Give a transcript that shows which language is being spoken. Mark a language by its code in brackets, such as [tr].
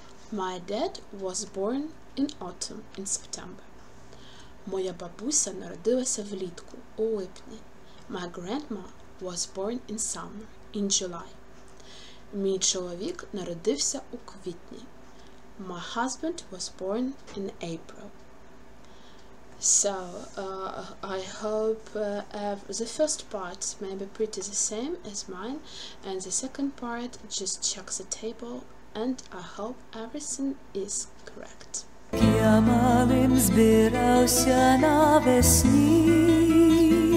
[en] My dad was born in autumn, in September. [uk] Моя бабуся народилася влітку, у липні. [en] My grandma was born in summer, in July. [uk] Мій чоловік народився у квітні. [en] My husband was born in April. So, I hope the first part may be pretty the same as mine, and the second part, just check the table, and I hope everything is correct. [uk] Я малим збирався навесні.